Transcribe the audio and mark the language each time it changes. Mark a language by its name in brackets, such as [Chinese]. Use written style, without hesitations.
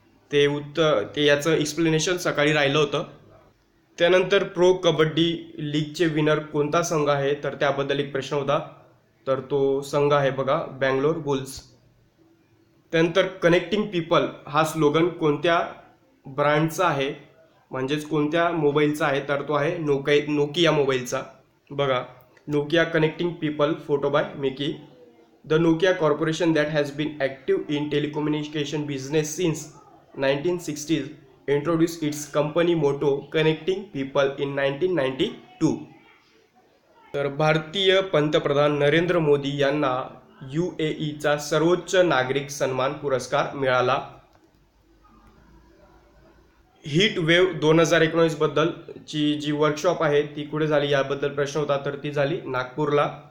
[Marathi] ते उत्तर ते याचं एक्सप्लेनेशन सकाळी राहिलं होतं. त्यानंतर प्रो कबड्डी लीगचे विनर कोणता संघ आहे, तर त्याबद्दल एक प्रश्न होता, तर तो संघ आहे बघा बँगलोर बुल्स. त्यानंतर कनेक्टिंग पीपल हा स्लोगन कोणत्या ब्रँडचा आहे, म्हणजेच कोणत्या मोबाईलचा आहे, तर तो आहे नोकिया मोबाईलचा. [English] बघा Nokia connecting people photo by Mickey. The Nokia corporation that has been active in telecommunication business since 1960s introduce its company motto connecting people in 1992. [Marathi] तर भारतीय पंतप्रधान नरेंद्र मोदी यांना UAE चा सर्वोच्च नागरिक सन्मान पुरस्कार मिळाला. हीट वेव 2019 बद्दल ची जी वर्कशॉप आहे ती कुठे झाली याबद्दल प्रश्न होता, तर ती झाली नागपूरला.